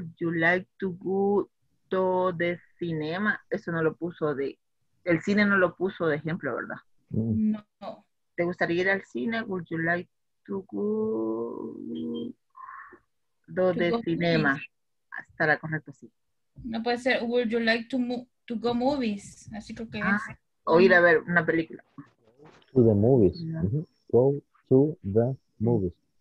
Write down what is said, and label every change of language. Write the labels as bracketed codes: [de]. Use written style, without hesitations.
[en] Would you like to go to the cinema? [es] Eso no lo puso de, el cine no lo puso de ejemplo, ¿verdad? No. ¿Te gustaría ir al cine? [en] Would you like to go to the cinema? [es] Estará correcto, sí. No puede ser, [en] would you like to go movies? [es] Así creo que es. O ir a ver una película. [en] To the movies. Yeah. Mm-hmm. Go to the movies.